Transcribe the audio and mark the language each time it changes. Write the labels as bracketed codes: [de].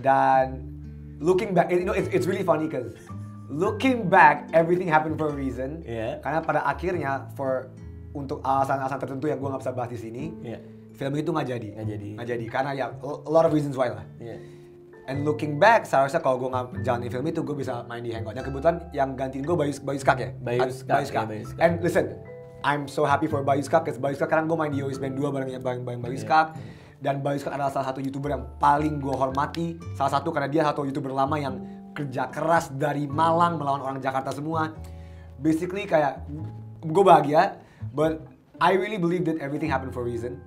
[en] Dan, looking back, you know, it's really funny, because looking back, everything happened for a reason. [id] Iya. Yeah. Karena pada akhirnya, untuk alasan-alasan tertentu yang gue gak bisa bahas di sini, yeah, film itu gak jadi. Gak jadi. Gak jadi, karena ya, [en] a lot of reasons why [id] lah. Iya. [en] And looking back, [id] seharusnya kalau gue nggak jalanin film itu, gue bisa main di Hangout. Yang kebetulan yang gantiin gue Bayuskak ya. Bayuskak. [en] And listen, I'm so happy for Bayuskak, because Bayuskak [id] sekarang gue main di OS Band 2 bareng [en] Bayuskak. Yeah. [id] Dan Bayuskak adalah salah satu YouTuber yang paling gue hormati. Salah satu karena dia satu YouTuber lama yang kerja keras dari Malang melawan orang Jakarta semua. [en] Basically [id] kayak gue bahagia, [en] but I really believe that everything happened for a reason.